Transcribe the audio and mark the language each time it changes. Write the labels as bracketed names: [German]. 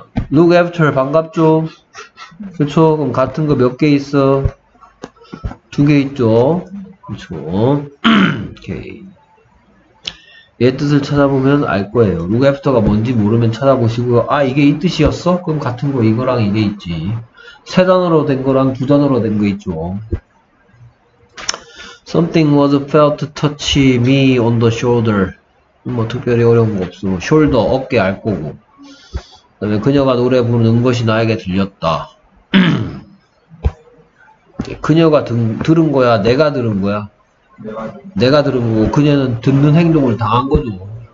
[English] Look after [Korean] 반갑죠. 그렇죠. 그럼 같은 거 몇 개 있어? 두 개 있죠. 그렇죠. 오케이. 얘 뜻을 찾아보면 알 거예요. [English] Look after [Korean] 가 뭔지 모르면 찾아보시고요. 아 이게 이 뜻이었어? 그럼 같은 거 이거랑 이게 있지. 세 단어로 된 거랑 두 단어로 된 거 있죠. [English] Something was felt to touch me on the shoulder. [Korean] 뭐 특별히 어려운 거 없어. Shoulder 어깨 알 거고. 그 다음에 그녀가 노래 부르는 것이 나에게 들렸다. 그녀가 들은 거야? 내가 들은 거야? 내가 들은 거고 그녀는 듣는 행동을 당한 거죠.